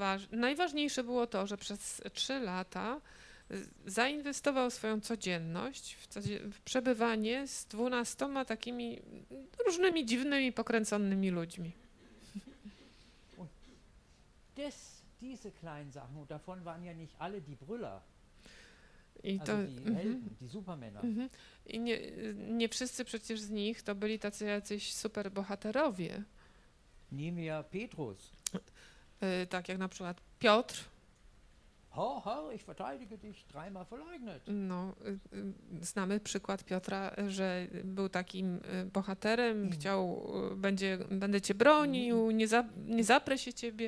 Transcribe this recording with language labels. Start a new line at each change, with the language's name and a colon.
Polish: Najważniejsze było to, że przez 3 lata zainwestował swoją codzienność w przebywanie z 12 takimi różnymi dziwnymi, pokręconymi ludźmi.
German: Diese kleinen Sachen, und davon waren ja nicht alle die Brüller.
Polish: I to,
German: also die Helden, die Supermänner.
Polish: I nie wszyscy przecież z nich to byli tacy jacyś superbohaterowie.
German: Nehmen wir Petrus.
Polish: Tak jak na przykład Piotr.
German: Ho, ich verteidige dich, dreimal verleugnet.
Polish: No, znamy przykład Piotra, że był takim bohaterem, chciał, będę cię bronił, nie zaprę się ciebie.